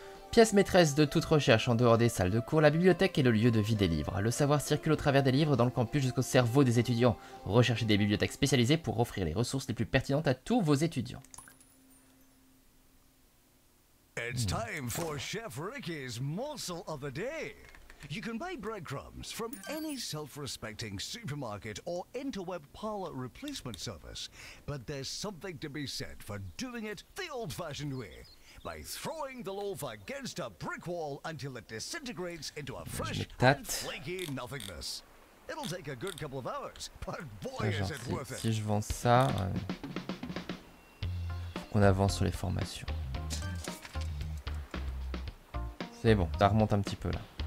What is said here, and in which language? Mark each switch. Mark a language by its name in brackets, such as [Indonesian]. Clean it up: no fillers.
[French] Pièce maîtresse de toute recherche en dehors des salles de cours, la bibliothèque est le lieu de vie des livres. Le savoir circule au travers des livres dans le campus jusqu'au cerveau des étudiants. Recherchez des bibliothèques spécialisées pour offrir les ressources les plus pertinentes à tous vos étudiants. [English] It's time for Chef Ricky's morsel of the day. You can buy breadcrumbs from any self-respecting supermarket or interweb parlor replacement service, but there's something to be said for doing it the old-fashioned way. By throwing the loaf against a brick wall until it disintegrates into a fresh and flaky nothingness. It'll take a good couple of hours, but boy is it worth it. [French] Si je vends ça, faut qu'on avance sur les formations. C'est bon, ça remonte un petit peu là.